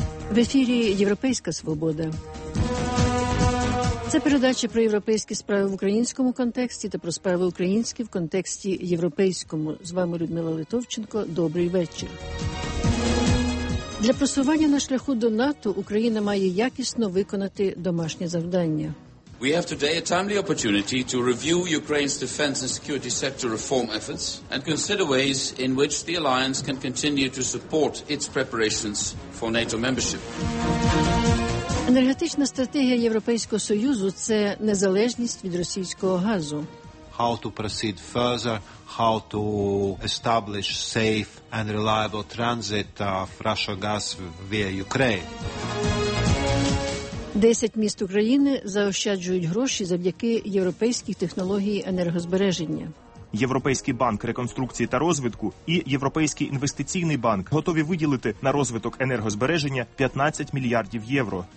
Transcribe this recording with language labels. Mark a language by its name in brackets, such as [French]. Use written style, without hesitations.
[Ukrainian] В ефірі «Європейська свобода». Це передача про європейські справи в українському контексті та про справи українські в контексті європейському. З вами Людмила Литовченко. Добрий вечір. Для просування на шляху до НАТО Україна має якісно виконати домашнє завдання. [English] We have today a timely opportunity to review Ukraine's defense and security sector reform efforts and consider ways in which the alliance can continue to support its preparations for NATO membership. [Ukrainian] Енергетична стратегія Європейського Союзу – це незалежність від російського газу. [English] How to proceed further, how to establish safe and reliable transit of Russian gas via Ukraine. [Ukrainian] 10 міст України заощаджують гроші завдяки європейських технологій енергозбереження. Європейський банк реконструкції та розвитку і Європейський інвестиційний банк готові виділити на розвиток енергозбереження 15 мільярдів євро.